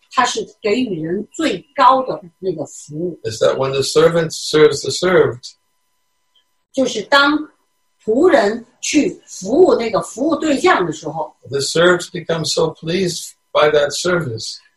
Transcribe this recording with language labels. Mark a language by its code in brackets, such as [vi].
[zh] 他是给予人最高的那个服务。 [en] Is that when the servant serves the served? [zh] 就是当仆人去服务那个服务对象的时候。 [en] The served become so pleased by that service.